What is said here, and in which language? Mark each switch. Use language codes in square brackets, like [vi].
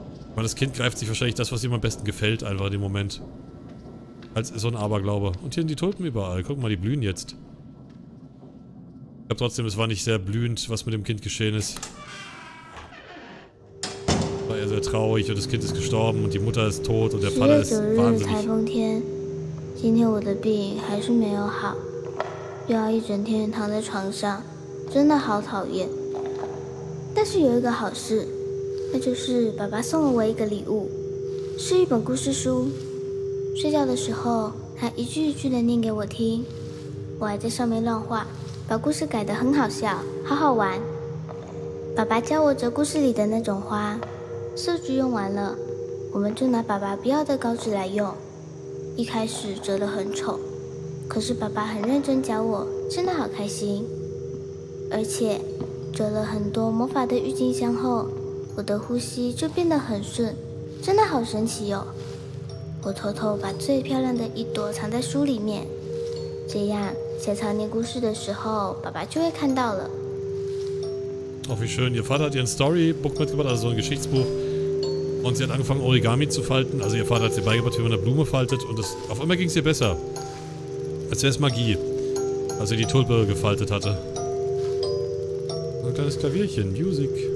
[de] Ich meine, das Kind greift sich wahrscheinlich das, was ihm am besten gefällt, einfach in dem Moment. Als so ein Aberglaube. Und hier sind die Tulpen überall. Guck mal, die blühen jetzt. Ich glaube trotzdem, es war nicht sehr blühend, was mit dem Kind geschehen ist. War eher sehr traurig und das Kind ist gestorben und die Mutter ist tot und der Vater ist wahnsinnig. [zh] 今天我的病还是没有好，又要一整天躺在床上，真的好讨厌。但是有一个好事，那就是爸爸送了我一个礼物，是一本故事书，睡觉的时候他一句一句的念给我听，我还在上面乱画，把故事改得很好笑，好好玩。爸爸教我折故事里的那种花，色纸用完了，我们就拿爸爸不要的稿纸来用。一开始折得很丑，可是爸爸很认真教我，真的好开心。而且折了很多魔法的郁金香后，我的呼吸就变得很顺，真的好神奇哦。我偷偷把最漂亮的一朵藏在书里面，这样写藏念故事的时候，爸爸就会看到了。 [de] Oh, wie schön! Ihr Vater hat ihr ein Storybook mitgebracht, also ein Geschichtsbuch. Und sie hat angefangen, Origami zu falten. Also ihr Vater hat sie beigebracht, wie man eine Blume faltet. Und das, auf einmal ging es ihr besser. Als wäre es Magie. Als sie die Tulpe gefaltet hatte. Ein kleines Klavierchen. Music.